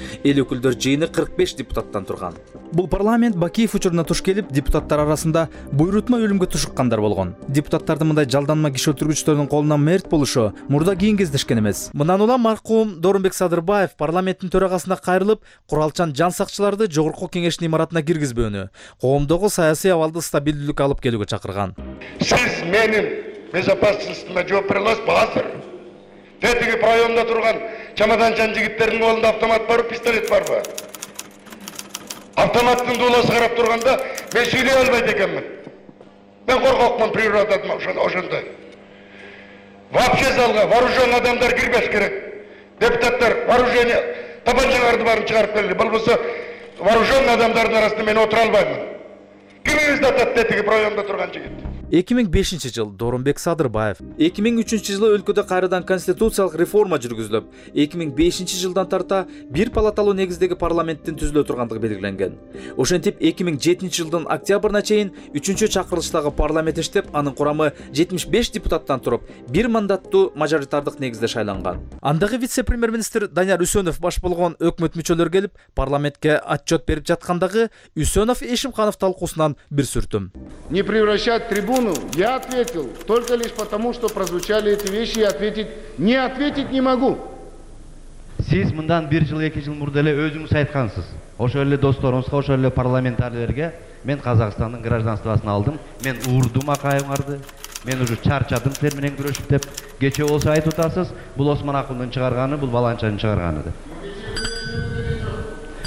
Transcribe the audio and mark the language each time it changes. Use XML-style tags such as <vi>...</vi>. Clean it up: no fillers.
<ky>Эл өкүлдөр жыйыны 45 депутаттан турган. Бул парламент Бакиев учуруна туш келип, депутаттар арасында буйрутма өлүмгө тушуккандар болгон. Депутаттардын мындай жалданма киши өлтүргүчтөрдүн колунан мерт болушу мурда кийин кездешкен эмес. Мындан улам маркум Доронбек Садырбаев парламенттин төрагасына кайрылып, куралчан жан сакчыларды Жогорку Кеңештин имаратына киргизбөөнү, коомдогу саясий абалды стабилдүүлүк алып келүүгө чакырган. Сиз менин безопасностьма жооп бере аласызбы азыр? Тетиги районунда турган чамаданчан жигиттердин колунда автомат барбы, пистолет барбы? Автоматтын дуулосу карап турганда мен сүйлөй албайт экенмин. Мен коркокмун природадан ошондой. Вообще залга вооружённый адамдар кирбеш керек. Депутаттар вооружение табанчаларды барын чыгарып келди. Болбосо вооружённый адамдардын арасында мен отура албайм. Кимиңизди атат тетиги районунда турган жигит? 2005 жыл Доронбек Садырбаев. 2003 жылы өлкөдө кайрадан конституциялык реформа жүргүзүлүп, 2005 жылдан тарта бир палаталуу негиздеги парламенттин түзүлө тургандыгы белгиленген. Ошентип 2007 жылдын октябрына чейин 3-чү чакырылыштагы парламент иштеп, анын курамы 75 депутаттан туруп, бир мандаттуу мажоритардык негизде шайланган. Андагы вице-премьер-министр Данияр Үсөнов баш болгон өкмөт мүчөлөр келип, парламентке отчет берип жаткандагы Үсөнов Эшимханов талкуусунан бир сүртүм.</ky> <ru>Не превращать трибуну. Я ответил только лишь потому, что прозвучали эти вещи, и ответить не могу.</ru> <ky>Сиз мындан бир жыл, эки жыл мурда эле өзүңүз айткансыз. Ошол эле досторуңузга, ошол эле парламентарийлерге, мен Казакстандын гражданствосун алдым, мен урдум Акаевдарды, мен уже чарчадым силер менен күрөшүп деп кечээ болсо айтып атасыз, бул Осман Акындын чыгарганы, бул Баланчанын чыгарганы деп.</ky>